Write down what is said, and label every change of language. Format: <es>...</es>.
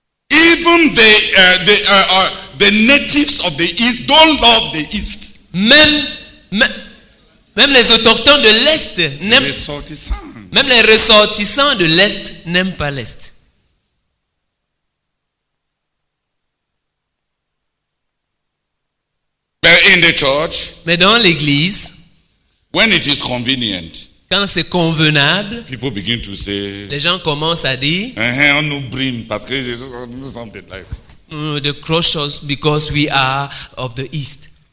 <en>Even the natives of the east don't love the east.</en> <fr>Même les autochtones de l'est n'aiment. Même les ressortissants de l'est n'aiment pas l'est.</fr> <en>But in the church,</en> <fr>mais dans l'église,</fr> <en>when it is convenient,</en> <fr>quand c'est convenable,</fr> <en>people begin to say,</en> <fr>les gens commencent à dire, on nous brime parce que nous sommes de l'est.</fr> <en>They crush us because we are of the east.</en>